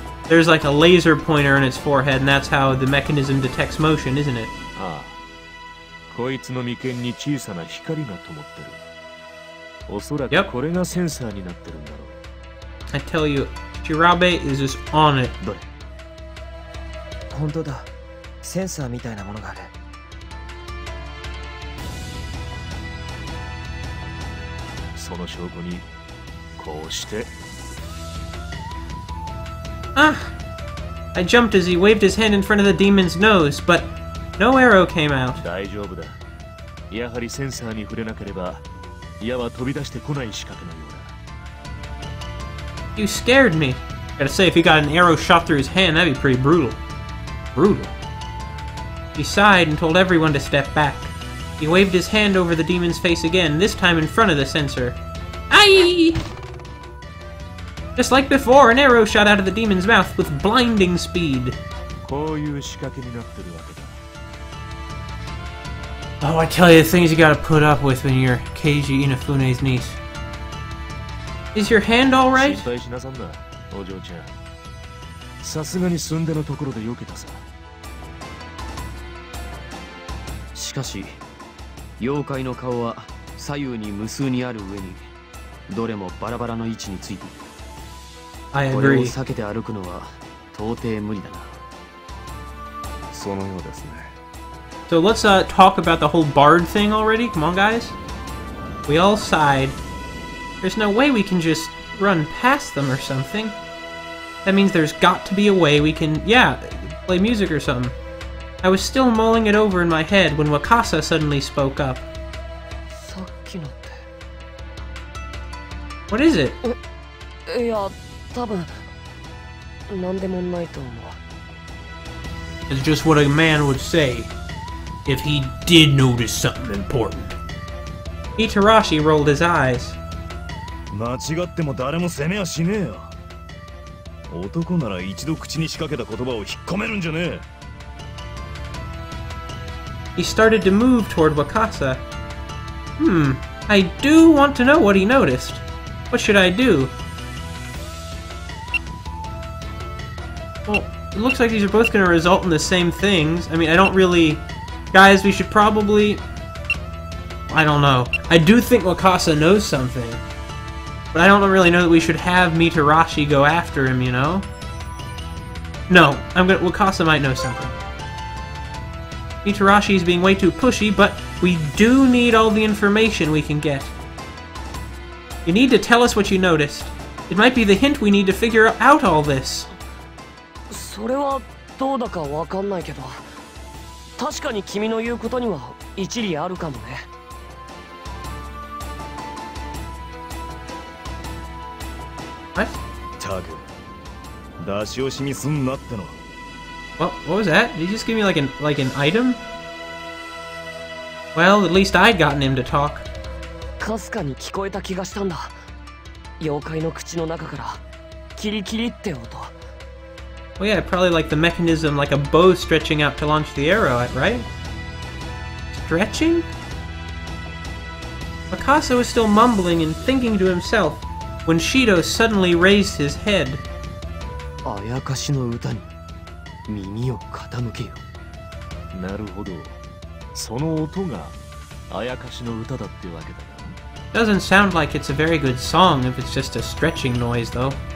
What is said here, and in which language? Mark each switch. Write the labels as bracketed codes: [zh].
[en] There's like a laser pointer on its forehead, and that's how the mechanism detects motion, isn't it? Ah. [ja] こいつの眉間に小さな光が灯ってる。おそらくこれがセンサーになってるんだろう。 [en] I tell you, Jirabe is just on it. [ja] どれ? 本当だ。センサーみたいなものがある。その証拠に、こうして。 Ah! [en] I jumped as he waved his hand in front of the demon's nose, but no arrow came out. [ja] 大丈夫だ。やはりセンサーに触れなければ、矢は飛び出してこない仕掛けのようだ。 [en] You scared me. Gotta say, if he got an arrow shot through his hand, that'd be pretty brutal. Brutal. He sighed and told everyone to step back. He waved his hand over the demon's face again, this time in front of the censor. Aye! Just like before, an arrow shot out of the demon's mouth with blinding speed. Oh, I tell you, the things you gotta put up with when you're Keiji Inafune's niece. Is your hand alright? [ja] しかし、妖怪の顔は左右に無数にある上に、どれもバラバラの位置についている。 [en] I agree. [ja] これを避けて歩くのは到底無理だな。そのようですね。 [en] So let's talk about the whole bard thing already. Come on, guys. We all sighed. There's no way we can just run past them or something. That means there's got to be a way we can, play music or something. I was still mulling it over in my head when Wakasa suddenly spoke up. [ja] さっきのって… [en] What is it? [ja] いや、多分…なんでもないと思う。 [en] It's just what a man would say if he did notice something important. Itarashi rolled his eyes. [ja] 間違っても誰も責めはしねえよ。男なら一度口に仕掛けた言葉を引っ込めるんじゃねえ。 [en] He started to move toward Wakasa. I do want to know what he noticed. What should I do? Well, it looks like these are both going to result in the same things. I mean, I don't really... Guys, we should probably... I don't know. I do think Wakasa knows something. But I don't really know that we should have Mitarashi go after him, you know? No, I'm gonna... Wakasa might know something. Itarashi is being way too pushy, but we do need all the information we can get. You need to tell us what you noticed. It might be the hint we need to figure out all this. [ja] それはどうだかわかんないけど、確かに君の言うことには一理あるかもね。 [en] What? [ja] たく、出し惜しみすんなっての。 [en] What was that? Did he just give me like an item? Well, at least I'd gotten him to talk. [ja] かすかに聞こえた気がしたんだ。妖怪の口の中からキリキリって音。 [en] Oh yeah, probably like the mechanism, like a bow stretching out to launch the arrow, right? Stretching? Akasa was still mumbling and thinking to himself when Shido suddenly raised his head. [ja] あやかしの歌に耳を傾けよ。なるほど。その音が、あやかしの歌だってわけだな。 [en] Doesn't sound like it's a very good song if it's just a stretching noise, though.